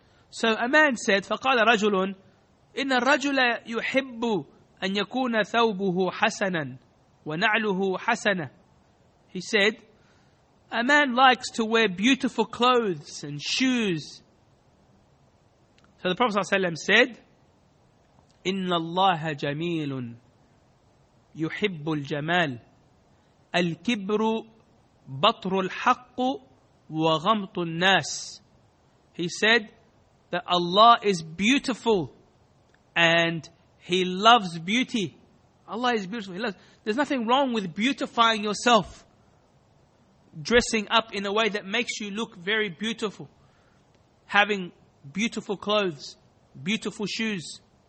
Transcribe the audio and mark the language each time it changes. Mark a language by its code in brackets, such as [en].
[en] So a man said, [ar] فَقَالَ رَجُلٌ إِنَّ الرَّجُلَ يُحِبُّ أَنْ يَكُونَ ثَوْبُهُ حَسَنًا وَنَعْلُهُ حَسَنًا. [en] He said, a man likes to wear beautiful clothes and shoes. So the Prophet ﷺ said, [ar] إِنَّ اللَّهَ جَمِيلٌ يُحِبُّ الْجَمَالِ الْكِبْرُ بَطْرُ الْحَقُّ وَغَمْطُ النَّاسِ. [en] He said, that Allah is beautiful and He loves beauty. Allah is beautiful. He loves. There's nothing wrong with beautifying yourself, dressing up in a way that makes you look very beautiful, having beautiful clothes, beautiful shoes.